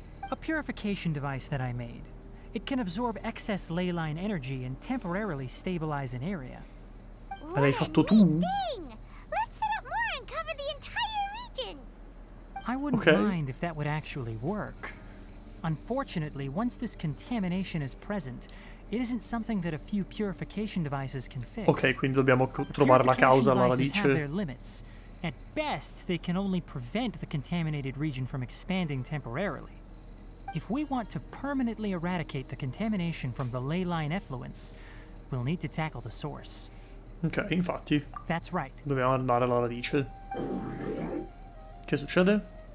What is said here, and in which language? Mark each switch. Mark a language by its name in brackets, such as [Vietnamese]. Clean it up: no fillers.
[English] A purification device that I made. It can absorb excess ley line energy and temporarily stabilize an area. What [Italian] l'hai fatto tu? [English] Thing. Let's set up more and cover the entire region. I wouldn't mind if that would actually work. Unfortunately, once this contamination is present, it isn't something that a few purification devices can fix. [Italian] Okay, quindi dobbiamo trovare la causa alla radice. [English] Purification devices have their limits. At best, they can only prevent the contaminated region from expanding temporarily. If we want to permanently eradicate the contamination from the ley line effluence, we'll need to tackle the source. [Italian] Okay, infatti. [English] That's right. [Italian] Dobbiamo andare alla radice. Che succede?